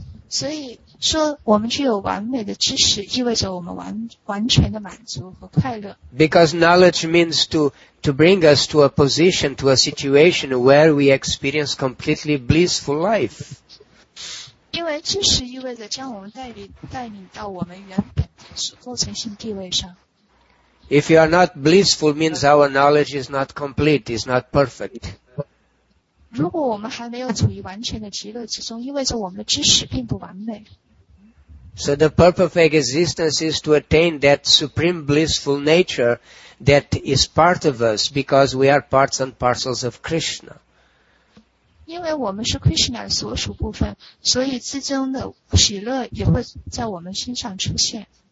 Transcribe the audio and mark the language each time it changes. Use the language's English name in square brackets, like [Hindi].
[English] So, [Chinese] 我们具有完美的知识意味着我们 完全的满足和快乐。 [English] Because knowledge means to bring us to a position, to a situation where we experience completely blissful life. [Chinese] 因为知识意味着将我们带领到我们原本的构成性地位上。 [English] If you are not blissful means our knowledge is not complete, is not perfect. [Chinese] 如果我们还没有处于完全的极乐之中，意味着我们的知识并不完美。 [English] So the purpose of existence is to attain that supreme blissful nature that is part of us because we are parts and parcels of Krishna. [Chinese] 因为我们是 Krishna 的所属部分，所以自中的喜乐也会在我们身上出现。